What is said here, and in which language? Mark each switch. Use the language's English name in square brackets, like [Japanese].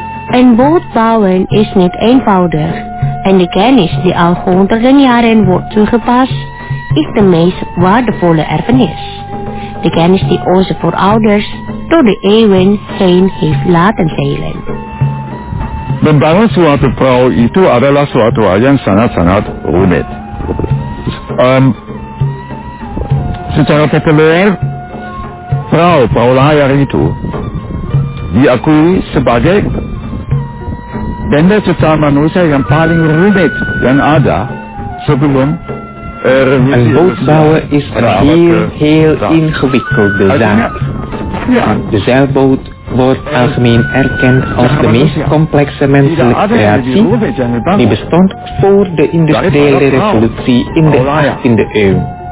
[Dutch] Een boot bouwen is niet eenvoudig en de kennis die al honderden jaren wordt toegepast, is de meest waardevolle erfenis. De kennis die onze voorouders door de eeuwen heen heeft laten zeilen. [Indonesian] Membangun suatu perahu itu adalah suatu hal yang sangat-sangat rumit. Secara populer, perahu layar itu diakui sebagai benda secara manusia yang paling rumit yang ada sebelum. [Dutch] Een boot bouwen is een heel, heel ingewikkelde zaak. De zeilboot wordt algemeen erkend als de meest complexe menselijke creatie die bestond voor de industriële revolutie in de 18e eeuw.